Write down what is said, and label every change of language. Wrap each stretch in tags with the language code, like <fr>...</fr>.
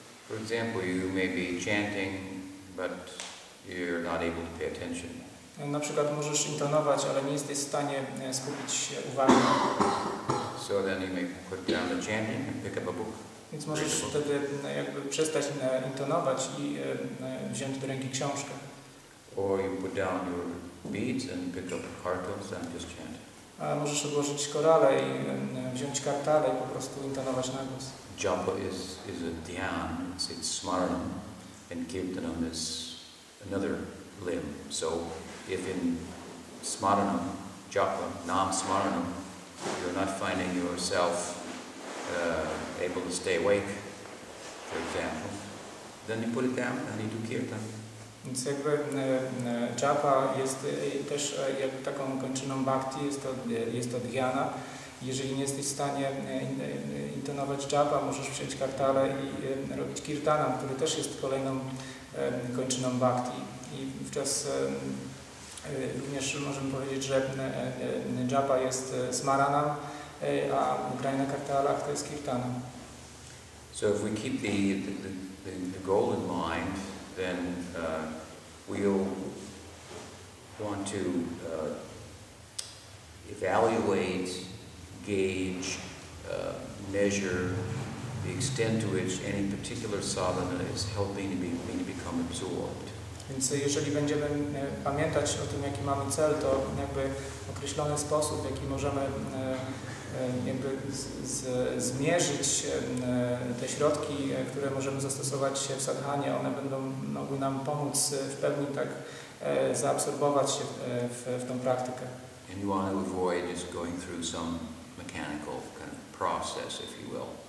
<en>For example, you may be chanting, but you're not able to pay attention.</en> <pl>Na przykład możesz intonować, ale nie jesteś w stanie skupić się uwagi.</pl> <en>So then you may put down the chanting and pick up a book.</en> <pl>Więc możesz wtedy jakby przestać intonować i wziąć do ręki książkę.</pl> <en>Or you put down your beads and pick up cartels and just chant.</en> <pl>A możesz odłożyć korale i wziąć kartale i po prostu intonować na głos.</pl> <en>Japa is a dhyan, it's smaranam, and kirtanam is another limb. So if in smaranam, japa, nam smaranam, you're not finding yourself able to stay awake, for example, then you put it down and you do kirtan.</en> <pl>Więc jakby japa jest też jakby taką kończyną bhakti, jest to dhyana. Jeżeli nie jesteś w stanie intonować japa, możesz przyjąć kartale i robić kirtana, który też jest kolejną kończyną bhakti. I wówczas również możemy powiedzieć, że japa jest smarana, a grajna kartala to jest kirtana.</pl> <en>So if we keep the goal in mind, then we'll want to evaluate, gauge, measure the extent to which any particular sadhana is helping me to become absorbed.</en> <pl>Więc jeżeli będziemy pamiętać o tym, jaki mamy cel, to jakby określony sposób, w jaki możemy jakby zmierzyć te środki, które możemy zastosować w sadhanie, one będą mogły nam pomóc w pełni tak zaabsorbować się w tą praktykę.</pl> <en>And you want to avoid just going through some mechanical kind of process, if you will.</en>